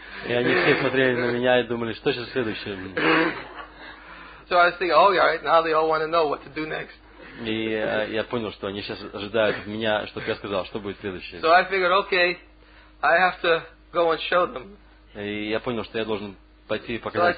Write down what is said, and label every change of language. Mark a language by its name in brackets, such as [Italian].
[Russian] И они все смотрели на меня и думали, что сейчас следующее. [English] So I was thinking, oh, all right, now they all want to know what to do next. [Russian] И я понял, что они сейчас ожидают от меня, чтобы я сказал, что будет следующее. [English] So I figured, okay, I have to go and show them. [Russian] И я понял, что я должен пойти и показать.